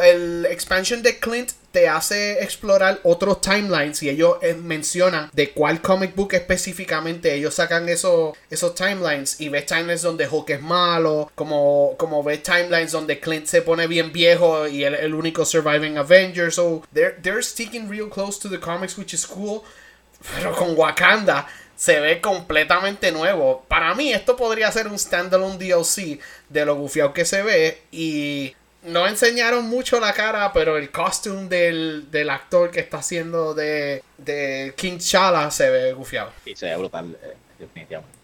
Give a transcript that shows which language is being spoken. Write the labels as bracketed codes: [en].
[es] El expansion de Clint te hace explorar otros timelines, y ellos mencionan de cuál comic book específicamente ellos sacan esos timelines, y ves timelines donde Hulk es malo, como ves timelines donde Clint se pone bien viejo y es el único [en] surviving Avenger. So they're sticking real close to the comics, which is cool. [es] Pero con Wakanda se ve completamente nuevo. Para mí esto podría ser un standalone DLC de lo gufiado que se ve. Y no enseñaron mucho la cara, pero el costume del actor que está haciendo de King T'Challa se ve gufiado. Sí, se ve brutal, definitivamente.